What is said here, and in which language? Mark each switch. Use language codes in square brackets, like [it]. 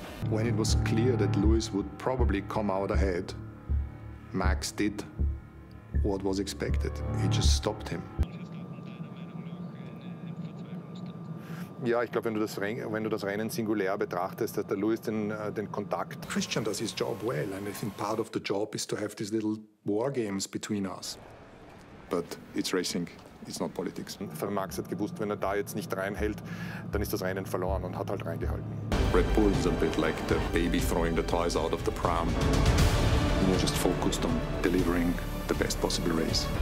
[en] When it was clear that Lewis would probably come out ahead, Max did what was expected. He just stopped him. [de] Ja, ich glaube, wenn du das Rennen singulär betrachtest, hat der Lewis den Kontakt. [en] Christian does his job well, and I think part of the job is to have these little war games between us. But it's racing. It's not politics. [de] Max hat gewusst, wenn er da jetzt nicht reinhält, dann ist das Rennen verloren und hat halt reingehalten. [en] Red Bull is a bit like the baby throwing the toys out of the pram. We're just focused on delivering the best possible race.